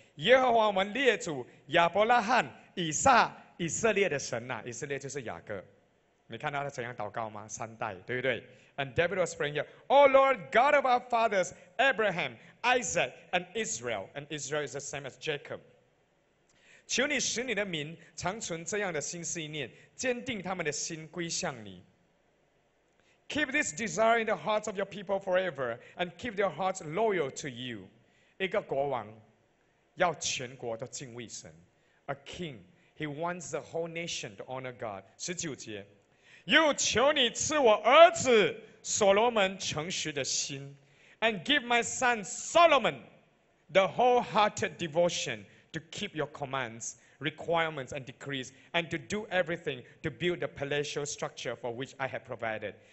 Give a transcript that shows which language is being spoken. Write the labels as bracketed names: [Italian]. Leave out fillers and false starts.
[Chinese] 耶和华我们列祖亚伯拉罕以撒以色列的神啊，以色列就是雅各。你看到他怎样祷告吗？三代，对不对？ [English] And David was praying here. Oh Lord, God of our fathers, Abraham, Isaac, and Israel. And Israel is the same as Jacob. [Chinese] 求你使你的民常存这样的心思意念，坚定他们的心归向你。 [English] Keep this desire in the hearts of your people forever, and keep their hearts loyal to you. [Chinese] 一个国王要全国都敬畏神。 [English] A king, he wants the whole nation to honor God. [Chinese] 十九节。又求你赐我儿子所罗门诚实的心 [English] ，and give my son Solomon the wholehearted devotion to keep your commands, requirements, and decrees, and to do everything to build the palatial structure for which I have provided.